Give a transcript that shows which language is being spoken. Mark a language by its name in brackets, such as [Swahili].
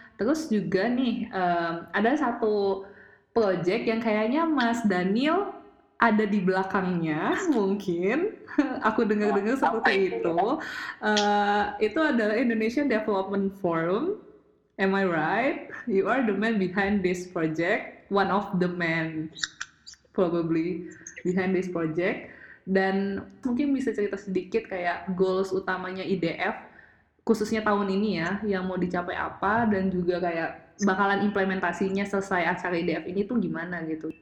[Indonesian] Terus juga nih ada satu project yang kayaknya Mas Daniel ada di belakangnya, mungkin aku dengar-dengar seperti itu. Itu adalah Indonesian Development Forum. [English] Am I right? You are the man behind this project, one of the men probably behind this project. [Indonesian] Dan mungkin bisa cerita sedikit kayak goals utamanya IDF khususnya tahun ini ya, yang mau dicapai apa, dan juga kayak bakalan implementasinya selesai acara IDF ini tuh gimana gitu.